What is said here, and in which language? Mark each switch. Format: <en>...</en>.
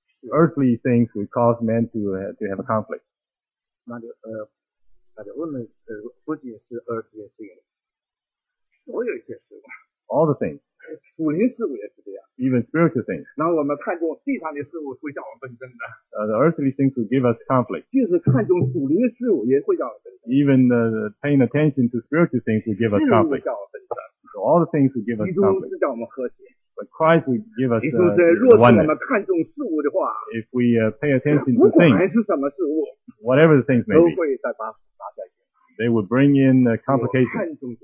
<en>Earthly things would cause men to have a conflict.</en> <zh>那就问了，不仅是 earthly 事物，所有一些事物。</zh> <en>All the things.</en> <zh>属灵事物也是这样。</zh> <en>Even spiritual things.</en> <zh>那我们看重地上的事物会叫我们纷争的。</zh> <en>The earthly things would give us conflict.</en> <zh>就是看重属灵事物也会叫我们纷争。</zh> <en>Even paying attention to spiritual things will give us conflict. So all the things will give us conflict. But Christ will give us oneness. If we pay attention to things, whatever the things may be, they will bring in complications.</en>